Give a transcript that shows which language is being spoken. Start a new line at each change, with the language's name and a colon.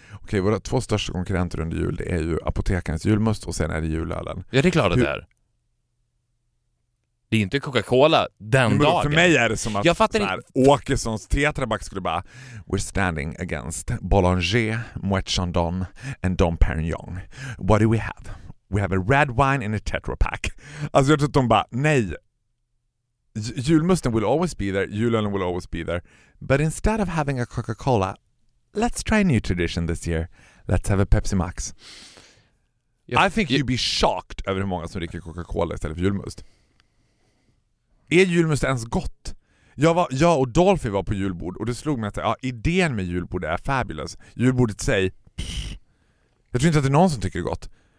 Swedish: Okej, våra två största konkurrenter under jul, det är ju apotekarnas julmust och sen är det julölen. Ja, det är klart. Hur... det är. Det är inte Coca-Cola den dagen. För mig är det som att jag fattar här, Åkessons tetraback skulle bara,
English: we're standing against Bollinger, Moët Chandon and Dom Pérignon. What do we have? We have a red wine in a tetrapack.
Swedish: Alltså jag tror att de bara, nej.
English: Julmusten will always be there. Julölen will always be there. But instead of having a Coca-Cola, let's try a new tradition this year. Let's have a Pepsi Max. Yep. I think you'd be shocked
Swedish: över hur många som dricker Coca-Cola istället för julmust. Är julmust ens gott? Jag och Dolphy var på julbord och det slog mig att ja, idén med julbord är fabulous. Julbordet säger, jag tror inte att det är någon som tycker det är gott.